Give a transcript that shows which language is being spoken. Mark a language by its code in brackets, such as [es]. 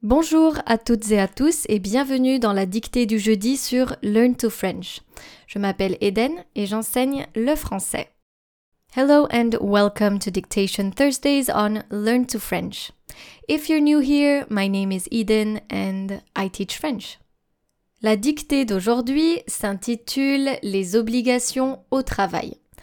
[fr] Bonjour à toutes et à tous et bienvenue dans la dictée du jeudi sur Learn to French. Je m'appelle Eden et j'enseigne le français. [en] Hello and welcome to Dictation Thursdays on Learn to French. If you're new here, my name is Eden and I teach French. [fr] La dictée d'aujourd'hui s'intitule Les obligations au travail.